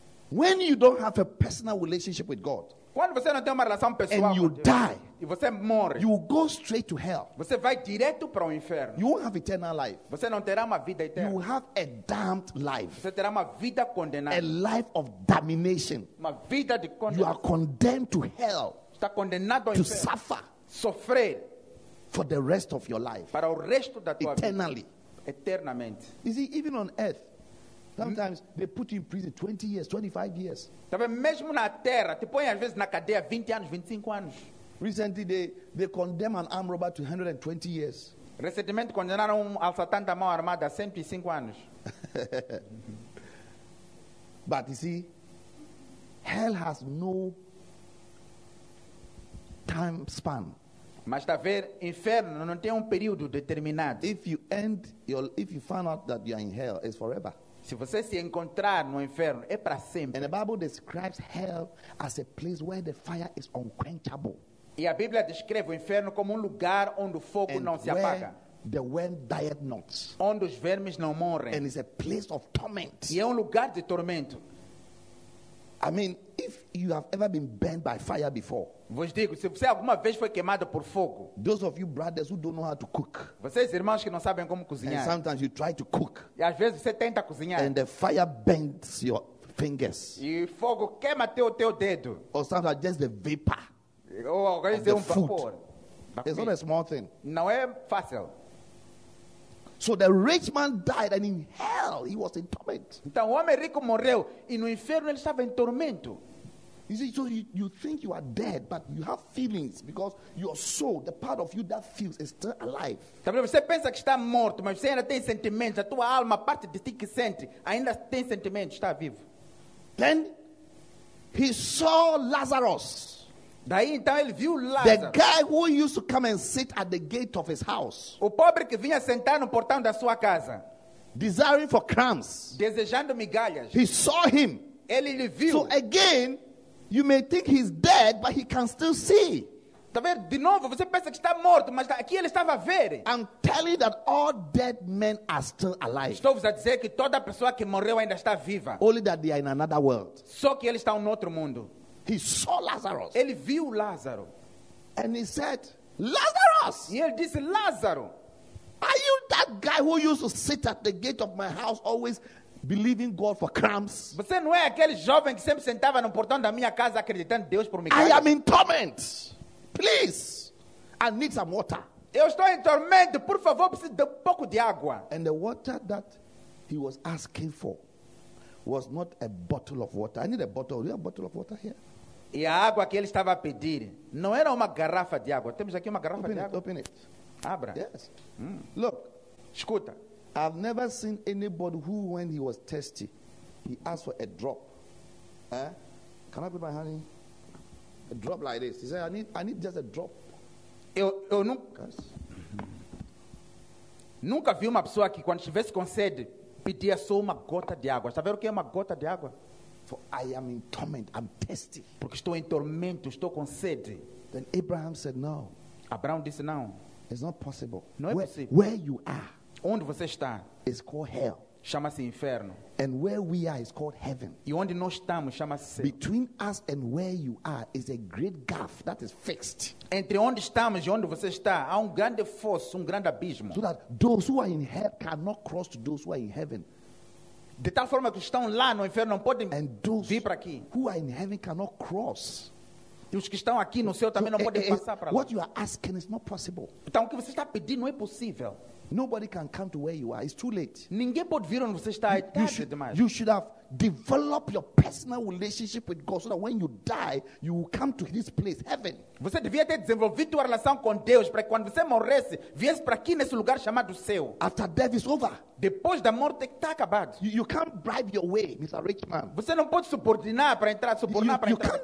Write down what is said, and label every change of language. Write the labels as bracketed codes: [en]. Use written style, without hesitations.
[en] When you don't have a personal relationship with God, [pt] quando você não tem uma relação pessoal, [en] and you die, [pt] e você morre, [en] you go straight to hell. [pt] Você vai direto para o inferno. [en] You won't have eternal life. [pt] Você não terá uma vida eterna. [en] You will have a damned life. [pt] Você terá uma vida condenada. [en] A life of damnation. [pt] Uma vida de condenação. [en] You are condemned to hell. [pt] Está condenado ao [en] inferno. To suffer. [pt] Sofrer. [en] For the rest of your life. [pt] Para o resto da tua [en] eternally. [pt] Vida. Eternamente. [en] You see, even on earth, sometimes they put you in prison 20 years, 25 years. [pt] Também mesmo na terra, te põem às vezes na cadeia 20 anos, 25 anos. [en] Recently they condemned an armed robber to 120 years. [pt] Recentemente condenaram assaltante da mão armada a 105 anos. [en] But you see, hell has no time span. [pt] Mas está a ver, inferno não tem período determinado. [en] If you find out that you are in hell, it's forever. [pt] Se você se encontrar no inferno, é para sempre. [en] And the Bible describes hell as a place where the fire is unquenchable. [pt] E a Bíblia descreve o inferno como lugar onde o fogo [en] and [pt] não se apaga. [en] The worm dieth not. [pt] Onde os vermes não morrem. [en] And it's a place of torment. [pt] E é lugar de tormento. [en] I mean, if you have ever been burned by fire before. [pt] Vos digo, se você alguma vez foi queimado por fogo. [en] Those of you brothers who don't know how to cook. [pt] Vocês irmãos que não sabem como cozinhar. [en] And sometimes you try to cook. [pt] E às vezes você tenta cozinhar. [en] And the fire burns your fingers. [pt] E fogo queima teu dedo. [en] Or sometimes just the vapor. [pt] Ou alguém dizer vapor. [en] It's not a small thing. [pt] Não é fácil. [en] So the rich man died and in hell he was in torment. [pt] Então o homem rico morreu e no inferno ele estava em tormento. [en] You see, so you think you are dead, but you have feelings because your soul, the part of you that feels, is still alive. [pt] Também você pensa que está morto, mas você ainda tem sentimentos. A tua alma, parte de ti que sente, ainda tem sentimentos, está vivo. [en] Then he saw Lazarus. [pt] Daí então ele viu Lázaro. [en] The guy who used to come and sit at the gate of his house. [pt] O pobre que vinha sentar no portão da sua casa. [en] Desiring for crumbs. [pt] Desejando migalhas. [en] He saw him. [pt] Ele lhe viu. [en] So again, you may think he's dead, but he can still see. [pt] Tá vendo? De novo, você pensa que está morto, mas aqui ele estava a ver. [en] I'm telling you that all dead men are still alive. [pt] Estou a dizer que toda pessoa que morreu ainda está viva. [en] Only that they are in another world. [pt] Só que ele está em outro mundo. [en] He saw Lazarus. [pt] Ele viu Lázaro. [en] And he said, Lazarus. [pt] E ele disse, Lázaro. [en] Are you that guy who used to sit at the gate of my house always believing God for crumbs? [pt] Você não é aquele jovem que sempre sentava no portão da minha casa acreditando em Deus por migalhas? [en] I am in torment. Please. I need some water. [pt] Eu estou em tormento. Por favor, preciso de um pouco de água. [en] And the water that he was asking for was not a bottle of water. I need a bottle. Do you have a bottle of water here? [pt] E a água que ele estava a pedir não era uma garrafa de água. Temos aqui uma garrafa [en] open [pt] de [en] it, [pt] água. [en] Open it. [pt] Abra. [en] Yes. Look. [pt] Escuta. [en] I've never seen anybody who, when he was thirsty, he asked for a drop. Eh? Can I put my hand in? A drop like this. He said, I need just a drop. [pt] Eu nunca... Nunca vi uma pessoa que, quando estivesse com sede, pedia só uma gota de água. Está vendo o que é uma gota de água? [en] For I am in torment, I'm thirsty. [pt] Porque estou em tormento, estou com sede. [en] Then Abraham said no. [pt] Abraão disse não. [en] It's not possible. [pt] Não é possível. [en] Where you are? [pt] Onde você está? [en] It's called hell. [pt] Chama-se inferno. [en] And where we are is called heaven. [pt] E onde nós estamos chama-se céu. [en] Between us and where you are is a great gulf that is fixed. [pt] Entre onde estamos e onde você está há grande fosso, grande abismo. [en] So that those who are in hell cannot cross to those who are in heaven. [pt] De tal forma que estão lá no inferno não podem vir para aqui. [en] Who are in heaven cannot cross. [pt] E os que estão aqui no céu também não podem passar para lá. [en] What you are asking is not possible. [pt] Então o que você está pedindo não é possível. [en] Nobody can come to where you are. It's too late. [pt] Ninguém pode vir onde você está. É tarde demais. [en] You should have develop your personal relationship with God so that when you die, you will come to this place, heaven. [pt] Você devia ter desenvolvido a relação com Deus para que quando você morresse, viesse para aqui nesse lugar chamado céu. [en] After death is over. [pt] Depois da morte está acabado. [en] You can't bribe your way, Mr. Rich Man. [pt] Você não pode subordinar para entrar, subornar para entrar.